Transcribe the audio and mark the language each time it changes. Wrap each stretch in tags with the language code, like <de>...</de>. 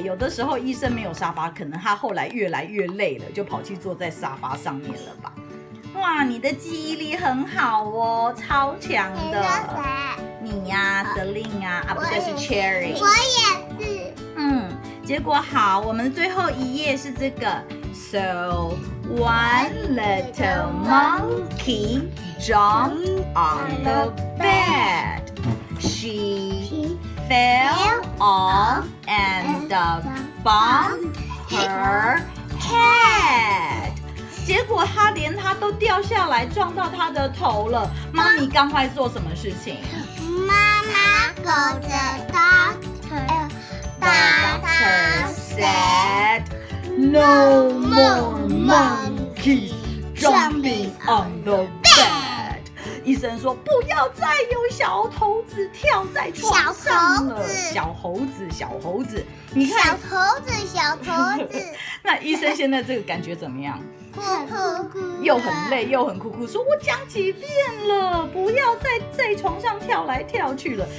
<zh>有的时候医生没有沙发，可能他后来越来越累了，就跑去坐在沙发上面了吧？哇，你的记忆力很好哦，超强的。你说谁？你呀、，Celine 啊，不对，是 Cherry。我也是。嗯，结果好，我们最后一页是这个。</zh> <en>So one little monkey jumped on the bed. She fell off and bumped her head.</en> <zh>结果他连他都掉下来，撞到他的头了。妈咪赶快做什么事情？</zh> <en>妈妈 called the doctor said, "No more monkeys jumping on the bed."</en> <zh>医生说不要再有小猴子跳在床上了。小猴子你看，小猴子那医生现在这个感觉怎么样？哭又很累又很哭，说我讲几遍了，不要再在床上跳来跳去了。</zh>